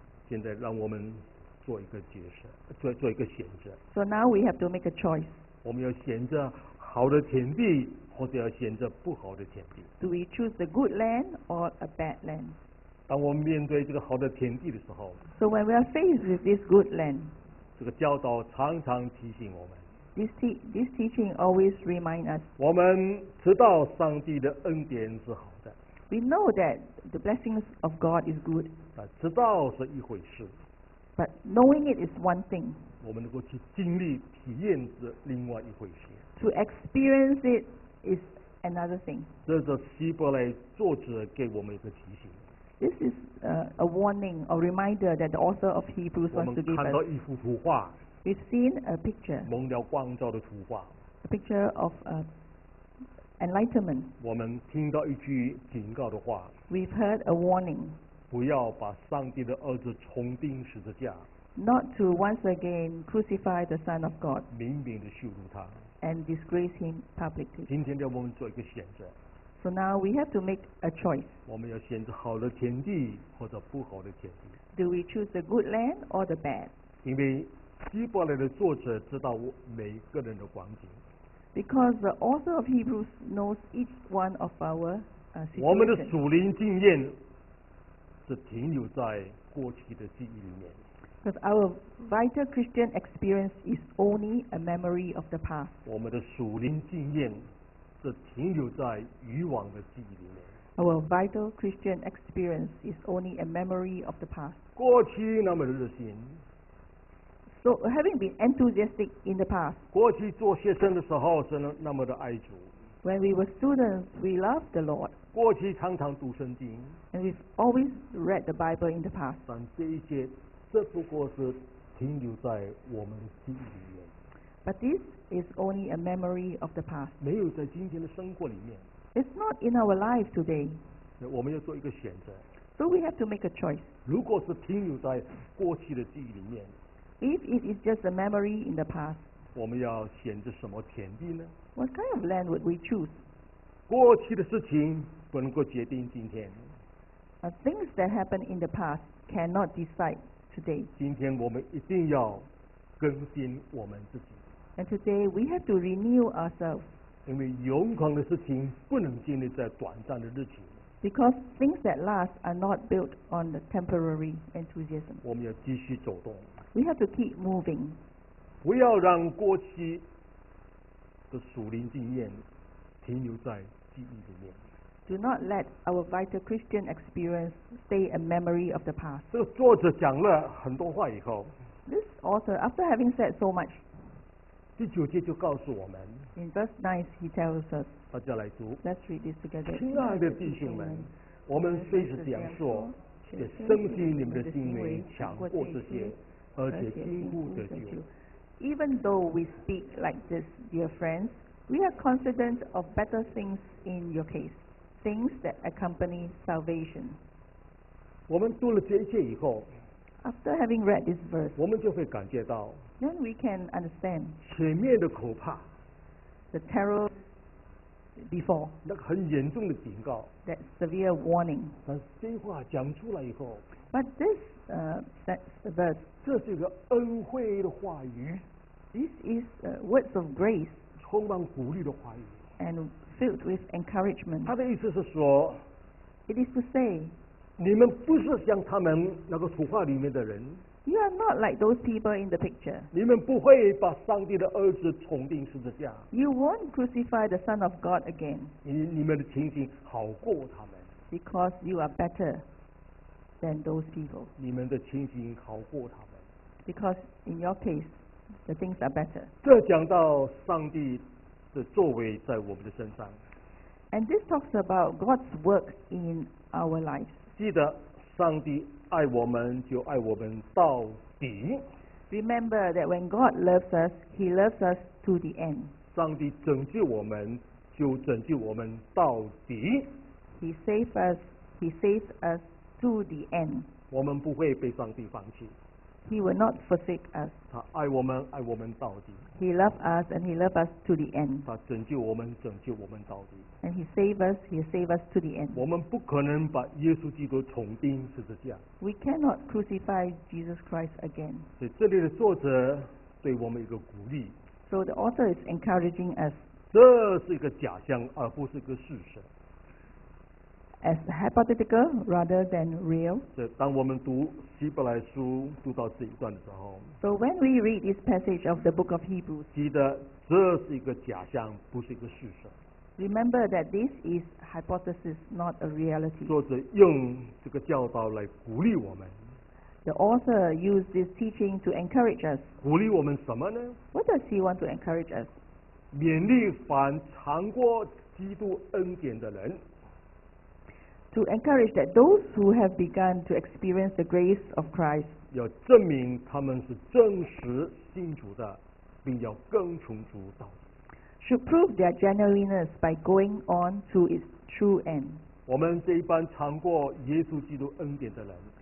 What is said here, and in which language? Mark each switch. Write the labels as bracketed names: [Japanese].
[Chinese] 现在让我们做一个决策，做一个选择。 [English] So now we have to make a choice. [Chinese] 我们要选择好的田地。或者要选择不好的田地。 [English] Do we choose the good land or a bad land? [Chinese] 当我们面对这个好的田地的时候。 [English] So when we are faced with this good land. [Chinese] 这个教导常常提醒我们。 [English] This teaching always reminds us. [Chinese] 我们知道上帝的恩典是好的。 [English] We know that the blessings of God is good. [Chinese] 知道是一回事。 [English] But knowing it is one thing. [Chinese] 我们能够去经历体验是另外一回事。 [English] To experience it. Is another thing. [Chinese] 这是希伯来作者给我们一个提醒。 [English] This is a warning or reminder that the author of Hebrews wants to give us. [Chinese] 我们看到一幅图画。 [English] We've seen a picture. [Chinese] 蒙了光照的图画。 [English] A picture of enlightenment. [Chinese] 我们听到一句警告的话。 [English] We've heard a warning. [Chinese] 不要把上帝的儿子重钉十字架。 [English] Not to once again crucify the Son of God. [Chinese] 明明地羞辱他。 [English] And disgrace him publicly. [Chinese] 今天要我们做一个选择。 [English] So now we have to make a choice. [Chinese] 我们要选择好的田地或者不好的田地。 [English] Do we choose the good land or the bad? [Chinese] 因为希伯来的作者知道每个人的光景。 [English] Because the author of Hebrews knows each one of our situations. [Chinese] 我们的属灵经验是停留在过去的记忆里面。 [English] Because our vital Christian experience is only a memory of the past. [Chinese] 我们的属灵经验是停留在以往的记忆里面。 [English] Our vital Christian experience is only a memory of the past. [Chinese] 过去那么热心。 [English] So having been enthusiastic in the past, [Chinese] 过去做学生的时候是那么的爱主。 [English] When we were students, we loved the Lord. [Chinese] 过去常常读圣经。 [English] And we've always read the Bible in the past. [Chinese] 但这一些，这不过是停留在我们的记忆里面。 [English] But this is only a memory of the past. [Chinese] 没有在今天的生活里面。 [English] It's not in our life today. [Chinese] 我们要做一个选择。 [English] So we have to make a choice. [Chinese] 如果是停留在过去的记忆里面。 [English] If it is just a memory in the past, [Chinese] 我们要选择什么田地呢? [English] What kind of land would we choose? [Chinese] 过去的事情不能够决定今天。 [English] Things that happened in the past cannot decide today. [Chinese] 今天我们一定要更新我们自己。 [English] And today we have to renew ourselves. [Chinese] 因为永恒的事情不能建立在短暂的日期。 [English] Because things that last are not built on the temporary enthusiasm. [Chinese] 我们要继续走动。 [English] We have to keep moving. [Chinese] 不要让过去的属灵经验停留在记忆里面。 [English] Do not let our vital Christian experience stay a memory of the past. [Chinese] 这个作者讲了很多话以后。 [English] This author, after having said so much, [Chinese] 第九节就告诉我们。 [English] In verse 9, he tells us. [Chinese] 大家来读。 [English] Let's read this together. [Chinese] 亲爱的弟兄们，我们虽是这样说，也深信你们的行为强过这些。而且经过得救。 [English] Even though we speak like this, dear friends, we are confident of better things in your case, things that accompany salvation. [Chinese] 我们读了这一节以后， [English] After having read this verse, [Chinese] 我们就会感觉到， [English] Then we can understand [Chinese] 前面的可怕， [English] The terror before, [Chinese] 那个很严重的警告， [English] That severe warning. [Chinese] 但这话讲出来以后， [English] But this verse, [Chinese] 这是一个恩惠的话语， [English] This is words of grace, [Chinese] 充满鼓励的话语， [English] and filled with encouragement. [Chinese] 他的意思是说， [English] It is to say, [Chinese] 你们不是像他们那个图画里面的人， [English] You are not like those people in the picture. [Chinese] 你们不会把上帝的儿子重钉十字架， [English] You won't crucify the Son of God again. [Chinese] 你们的情形好过他们， [English] Because you are better than those people. [Chinese] 你们的情形好过他们。 [English] Because in your case, the things are better. [Chinese] 这讲到上帝的作为在我们的身上。 [English] And this talks about God's work in our lives. [Chinese] 记得上帝爱我们就爱我们到底。 [English] Remember that when God loves us, He loves us to the end. [Chinese] 上帝拯救我们就拯救我们到底。 [English] He saves us. To the end. [Chinese] 我们不会被上帝放弃。 [English] He will not forsake us. [Chinese] 他爱我们，爱我们到底。 [English] He loves us and he loves us to the end. [Chinese] 他拯救我们，拯救我们到底。 [English] And he saves us to the end. [Chinese] 我们不可能把耶稣基督重钉十字架。 [English] We cannot crucify Jesus Christ again. [Chinese] 所以这里的作者对我们一个鼓励。 [English] So the author is encouraging us. [Chinese] 这是一个假象，而不是一个事实。 [English] As hypothetical rather than real. [Chinese] 当我们读希伯来书读到这一段的时候， [English] So when we read this passage of the book of Hebrews, [Chinese] 记得这是一个假象，不是一个事实。 [English] Remember that this is hypothesis, not a reality. [Chinese] 作者用这个教导来鼓励我们。 [English] The author used this teaching to encourage us. [Chinese] 鼓励我们什么呢？ [English] What does he want to encourage us? [Chinese] 勉励凡尝过基督恩典的人。 [English] To encourage that those who have begun to experience the grace of Christ, [Chinese] 要证明他们是真实信主的，并要跟从主到底。 [English] should prove their genuineness by going on to its true end. [Chinese] 我们这一班尝过耶稣基督恩典的人，